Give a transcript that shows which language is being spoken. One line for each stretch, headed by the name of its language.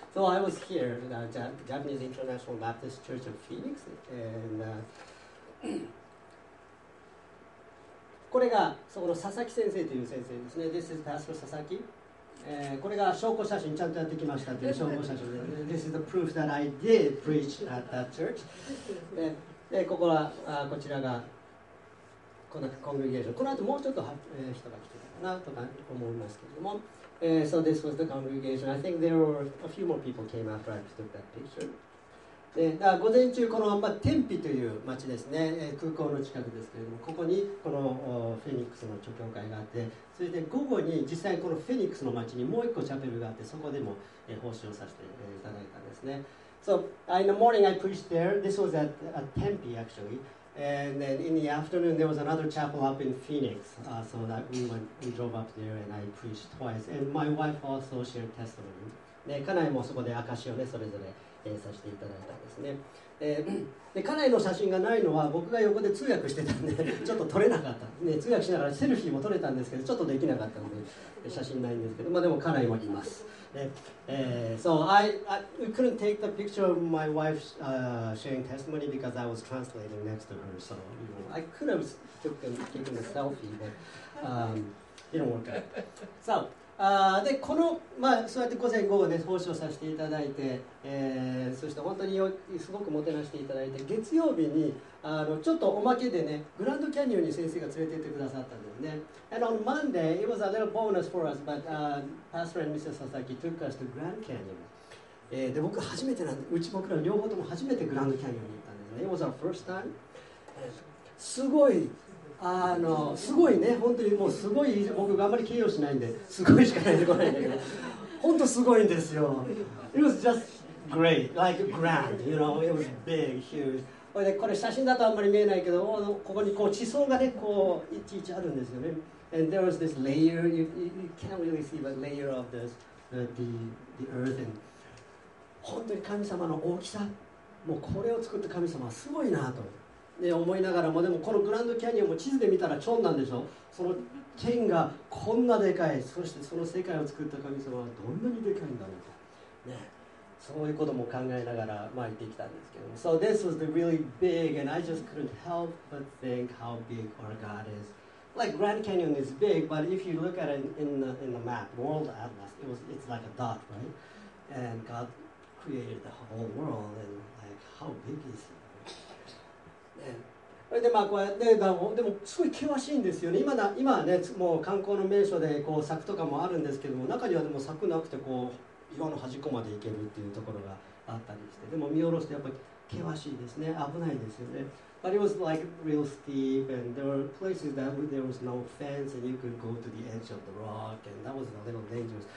English: So I was here at the Japanese International Baptist Church of Phoenix.
Japanese: And, これがそこの佐々木先生という先生ですね。
English: This is Pastor Sasaki.
Japanese: これが証拠写真ちゃんとやってきましたという証拠写真で。
English: This is the proof that I did preach at that church.
Japanese: でここはこちらがこのコングリゲーション。この後もうちょっと人が来てるかなとか思いますけれども。
English: So this was the congregation. I think there were a few more people came after I took that picture.
Japanese: でだから午前中この、テンピという町ですね、空港の近くですけれども、ここにこのフェニックスの諸教会があって、それで午後に実際このフェニックスの町にもう一個チャペルがあって、そこでも奉仕をさせていただいたんですね。
English: So in the morning I preached there. This was at Tempe actually. And then in the afternoon there was another chapel up in Phoenix. So that we drove up there and I preached twice. And my wife also shared testimony.
Japanese: で家内もそこで証しをね、それぞれさせていただいたんですね。で家内の写真がないのは僕が横で通訳してたんでちょっと撮れなかったね。通訳しながらセルフィーも撮れたんですけど、ちょっとできなかったので写真ないんですけど、まあでも家内もいます。
English: So I couldn't take the picture of my wife sharing testimony because I was translating next to her. So I could have taken a selfie, but didn't work out.
Japanese: So,でこの、そうやって午前午後で奉仕をさせていただいて、そして本当にすごくもてなしていただいて、月曜日にちょっとおまけでね、グランドキャニオンに先生が連れて行ってくださったんですね。
English: And on Monday, it was a little bonus for us, but Pastor and Mrs. Sasaki took us to Grand Canyon.
Japanese: で僕初めてなんで、うち僕ら両方とも初めてグランドキャニオンに行ったんですね。
English: It was our first time.
Japanese: すごいすごいね、本当にもうすごい、僕があまり形容しないんですごいしかないんで、これ本当すごいんですよ。
English: It was just great, like grand, you know, it was big, huge.
Japanese: でこれ写真だとあんまり見えないけど、ここにこう地層がね、こういちいちあるんですよね。
English: And there was this layer, you can't really see, but layer of the earth.
Japanese: And 本当に神様の大きさ、もうこれを作った神様はすごいなと思いながらも、でもこのグランドキャニオンも地図で見たらチョンなんでしょ。その天がこんなでかい、そしてその世界を作った神様はどんなにでかいんだろうと、ね、そういうことも考えながら行ってきたんですけども。
English: So this was the really big, and I just couldn't help but think how big our God is. Like Grand Canyon is big, but if you look at it in the map, world atlas, it's like a dot, right? And God created the whole world, and like how big is he?
Japanese: で, こうやって でもすごい険しいんですよね。今はね、もう観光の名所でこう柵とかもあるんですけども、中にはでも柵なくてこう岩の端っこまで行けるっていうところがあったりして、でも見下ろすとやっぱり険しいですね、危ないですよね。
English: But it was like real steep, and there were places that there was no fence, and you could go to the edge of the rock, and that was a little dangerous.